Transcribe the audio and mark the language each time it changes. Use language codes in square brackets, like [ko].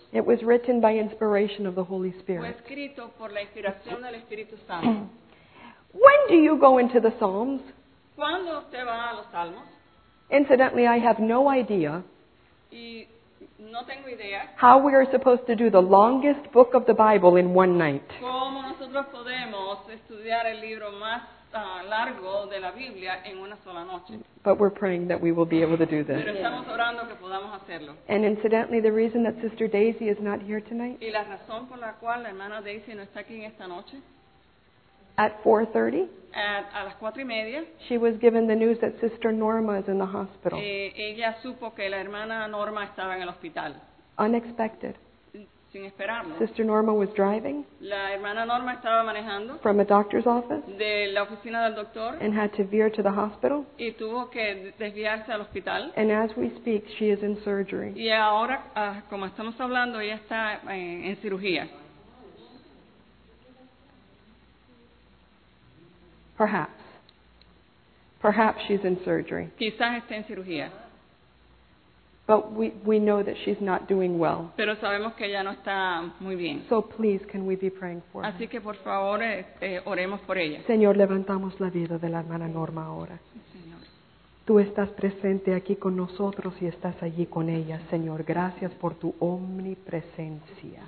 [en] It was written by inspiration of the Holy Spirit. [es] Fue escrito por la inspiración del Espíritu Santo. [en] When do you go into the Psalms? [es] ¿Cuándo usted va a los Salmos? [en] Incidentally, I have no idea, [es] y no tengo idea [en] how we are supposed to do the longest book of the Bible in one night. [es] ¿Cómo nosotros podemos estudiar el libro más largo de la Biblia en una sola noche? [en] But we're praying that we will be able to do this. [es] Pero estamos orando que podamos hacerlo. [en] And incidentally, the reason that Sister Daisy is not here tonight, [es] y la razón por la cual la hermana Daisy no está aquí en esta noche, [en] at 4:30, [es] a las 4:30, [en] she was given the news that Sister Norma is in the hospital. [es] Ella supo que la hermana Norma estaba en el hospital. [en] Unexpected. [es] Sin esperarlo. [en] Sister Norma was driving. [es] La hermana Norma estaba manejando. [en] From a doctor's office. [es] De la oficina del doctor. [en] And had to veer to the hospital. [es] Y tuvo que desviarse al hospital. [en] And as we speak, she is in surgery. [es] Y ahora, como estamos hablando, ella está en cirugía. [en] Perhaps. Perhaps she's in surgery. [es] Quizás esté en cirugía. [en] But we know that she's not doing well. [es] Pero sabemos que ella no está muy bien. [en] So please, can we be praying for [es] Así [en] her? [es] Así que por favor, oremos por ella. Señor, levantamos la vida de la hermana Norma ahora. Sí, Señor. Tú estás presente aquí con nosotros y estás allí con ella, Señor. Gracias por tu omnipresencia.